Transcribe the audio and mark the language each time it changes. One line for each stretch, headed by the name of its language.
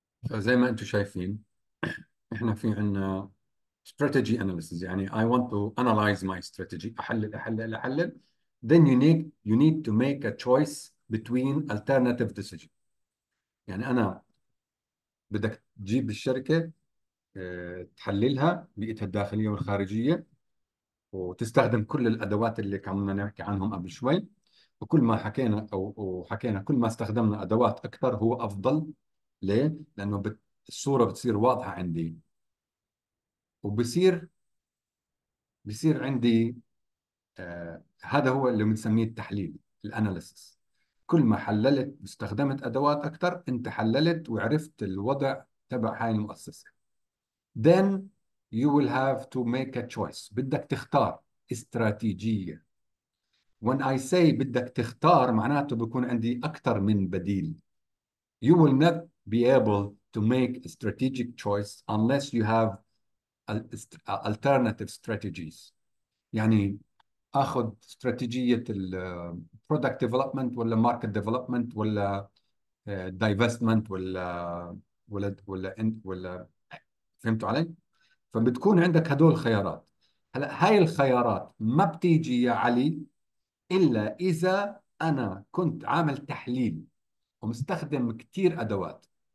Arabic: فزي ما انتم شايفين احنا في عندنا
English: strategy analysis،
Arabic: يعني
English: I want to analyze my strategy،
Arabic: احلل احلل احلل.
English: Then you need to make a choice between alternative decision.
Arabic: يعني انا بدك تجيب الشركة تحللها بيئتها الداخلية والخارجية، وتستخدم كل الادوات اللي كنا نحكي عنهم قبل شوي. وكل ما حكينا كل ما استخدمنا ادوات اكثر هو افضل. ليه؟ لانه الصورة بتصير واضحة عندي، وبصير عندي هذا هو اللي بنسميه التحليل، الاناليسس. كل ما حللت واستخدمت ادوات اكثر، انت حللت وعرفت الوضع تبع هاي المؤسسة.
English: Then you will have to make a choice.
Arabic: بدك تختار استراتيجية.
English: When I say
Arabic: بدك تختار، معناته بكون عندي أكثر من بديل.
English: You will not be able to make a strategic choice unless you have alternative strategies.
Arabic: يعني آخذ استراتيجية الـ product development ولا market development ولا divestment ولا فهمت علي؟ فبتكون عندك هدول الخيارات. هلا هاي الخيارات ما بتيجي يا علي إلا إذا أنا كنت عامل تحليل ومستخدم كتير أدوات.